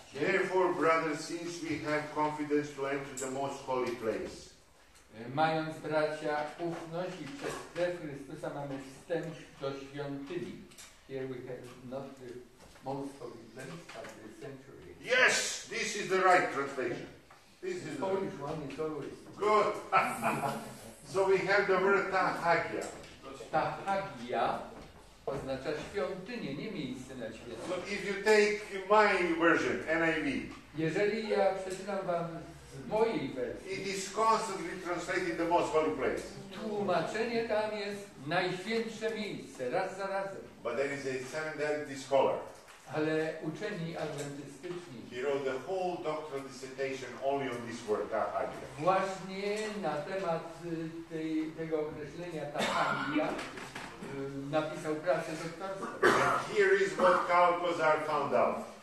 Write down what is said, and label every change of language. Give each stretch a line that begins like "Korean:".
English: Therefore, brothers, since we have confidence to enter the most holy place.
Polish: Mając bracia ufność i przez krew Chrystusa mamy wstęp do świątyni.
English: Here we have not the most holy place, but the sanctuary. Yes, this is the right translation. This the is Polish the Polish one is always good. So we have the word tahagia.
Polish: Tahagia oznacza świątynię, nie miejsce na świecie.
English: So if you take my version, NIV.
Polish: Jeżeli ja przeczytam wam mojej wersji.
English: It is constantly translated the most holy place.
Polish: Tłumaczenie tam jest najświętsze miejsce, raz za razem.
English: But there is a seventh scholar.
Polish: Ale uczeni adwentystyczni.
English: He wrote the whole doctoral dissertation only on this word, tahagia.
Polish: Właśnie na temat tego określenia tahagia napisał pracę doktorską.
English: Here is what Karl Kozar found out.